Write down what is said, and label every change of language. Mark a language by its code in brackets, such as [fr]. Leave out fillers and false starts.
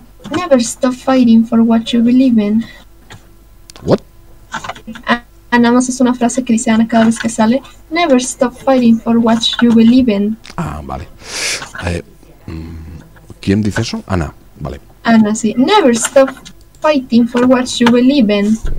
[en] Never stop fighting for what you believe in. What? [es] Nada más es una frase que dice Ana cada vez que sale. [en] Never stop fighting for what you believe in. [es] Ah, vale. ¿Quién dice eso? Ana, vale. Ana, sí. [en] Never stop fighting for what you believe in.